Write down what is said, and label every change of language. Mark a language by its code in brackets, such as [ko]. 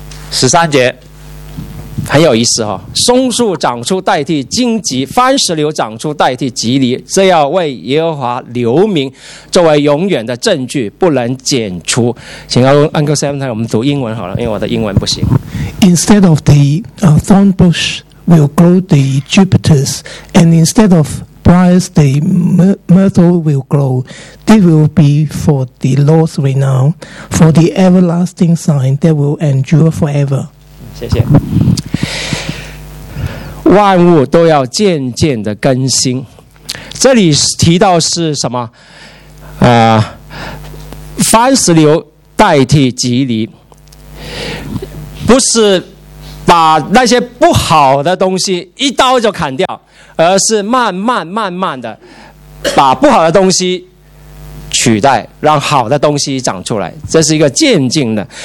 [zh] 十三节很有意思哦，松树长出代替荆棘，番石榴长出代替蒺藜，这要为耶和华留名，作为永远的证据，不能剪除。请 Uncle Sam 我们读英文好了，因为我的英文不行。 [en] Instead of the thorn bush will grow the eucalyptus, and instead of briars the myrtle will grow. This will be for the Lord's renown, for the everlasting sign that will endure forever. [zh] 谢谢。万物都要渐渐的更新，这里提到是什么？番石榴代替蒺藜，不是把那些不好的东西一刀就砍掉，而是慢慢慢慢的把不好的东西取代，让好的东西长出来，这是一个渐进的。